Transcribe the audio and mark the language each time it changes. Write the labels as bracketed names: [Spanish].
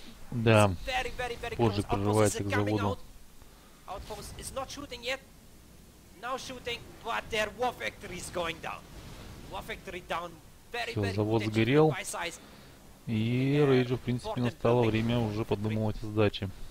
[Russian] Да, позже прорывается к заводу. [English] Outpost is not shooting yet. Now shooting, but their war factory is going down. War factory down. Very, [Russian] все, завод сгорел. И Рейджу, в принципе, настало время уже подумывать о сдаче.